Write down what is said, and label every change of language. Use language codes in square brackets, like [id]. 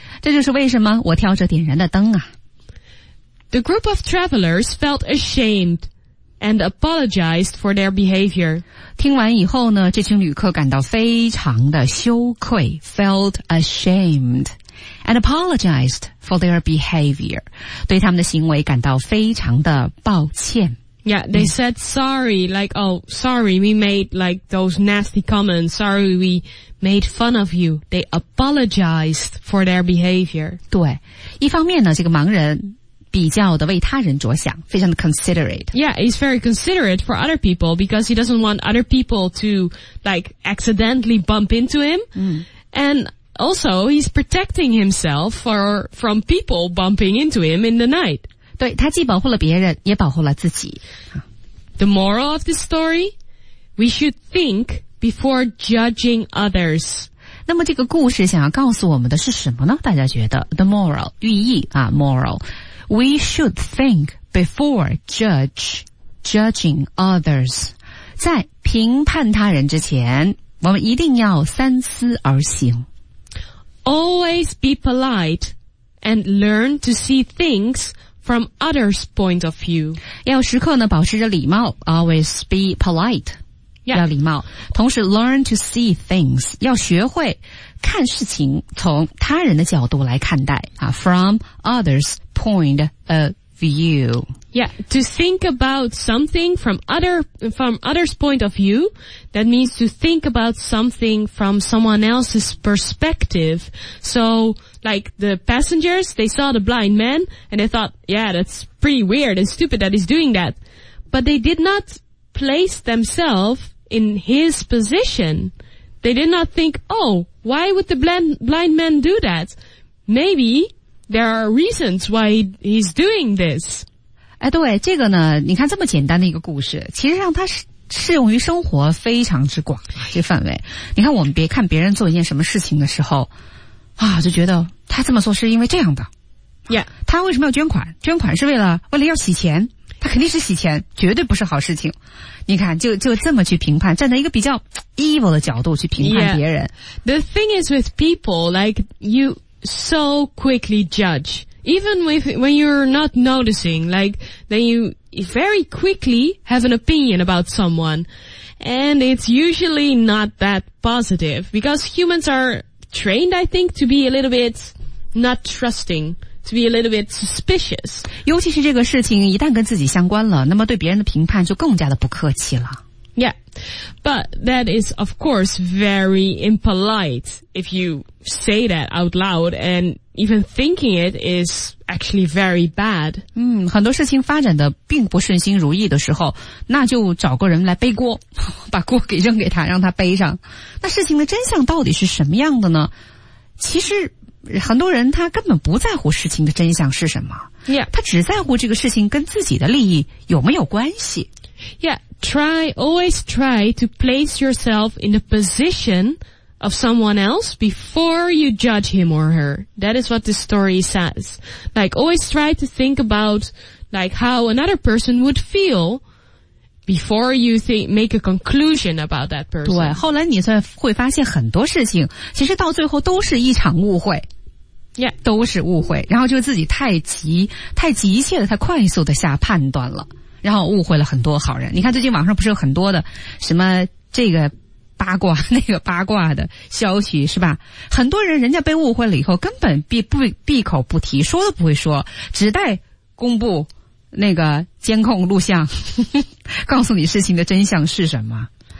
[zh] 这就是为什么我挑着点燃的灯啊。 [en] The group of travelers felt ashamed and apologized for their behavior. [zh] 听完以后呢，这群旅客感到非常的羞愧 , [en] felt ashamed and apologized for their behavior. [zh] 对他们的行为感到非常的抱歉。 [en] Yeah, they said sorry, like, oh, sorry, we made like those nasty comments. Sorry, we made fun of you. They apologized for their behavior. [zh] 对，一方面呢，这个盲人比较的为他人着想，非常的 considerate. [en] Yeah, he's very considerate for other people because he doesn't want other people to like accidentally bump into him. And also, he's protecting himself from people bumping into him in the night. [zh] 对，他既保护了别人，也保护了自己。 [en] The moral of this story? We should think before judging others. [zh] 那么这个故事想要告诉我们的是什么呢？大家觉得 ,the moral, 寓意啊 ,moral. [en] We should think before judging others. [zh] 在评判他人之前我们一定要三思而行。 [en] Always be polite and learn to see things from others' point of view. [zh] 要时刻呢保持着礼貌 , [en] always be polite. Yeah. [zh] 要礼貌，同时 [en] learn to see things， [zh] 要学会看事情从他人的角度来看待啊 ， [en] from others' point of view。 Yeah, to think about something from others' point of view, that means to think about something from someone else's perspective. So, like the passengers, they saw the blind man and they thought, yeah, that's pretty weird and stupid that he's doing that, but they did not place themselves. In his position, they did not think, oh, why would the blind man do that? Maybe there are reasons why he's doing this. [zh] 哎，对，这个呢，你看这么简单的一个故事，其实让它适用于生活非常之广啊，这范围。你看，我们别看别人做一件什么事情的时候，啊，就觉得他这么做是因为这样的。 [en] Yeah. [zh] 他为什么要捐款？捐款是为了要洗钱。他肯定是洗钱，绝对不是好事情。你看，就这么去评判，站在一个比较 evil 的角度去评判别人。 [en] Yeah. The thing is with people, like, you so quickly judge. Even when you're not noticing, like, then you very quickly have an opinion about someone. And it's usually not that positive. Because humans are trained, I think, to be a little bit not trusting. To be a little bit suspicious. [zh] 尤其是这个事情一旦跟自己相关了，那么对别人的评判就更加的不客气了。 [en] Yeah. But that is, of course, very impolite if you say that out loud and even thinking it is actually very bad. [zh] 嗯，很多事情发展的并不顺心如意的时候，那就找个人来背锅，把锅给扔给他，让他背上。那事情的真相到底是什么样的呢？其实很多人他根本不在乎事情的真相是什么。 [en] Yeah. [zh] 他只在乎这个事情跟自己的利益有没有关系。 [en] Yeah, always try to place yourself in the position of someone else before you judge him or her. That is what the story says. Like, always try to think about, like, how another person would feel before you think, make a conclusion about that person. [zh] 对，后来你才会发现很多事情，其实到最后都是一场误会。 [en] Yeah. [zh] 都是误会，然后就自己太急，太急切的，太快速的下判断了。然后误会了很多好人。你看最近网上不是有很多的什么这个八卦那个八卦的消息是吧，很多人人家被误会了以后根本闭口不提，说都不会说，只待公布那个监控录像告诉你事情的真相是什么。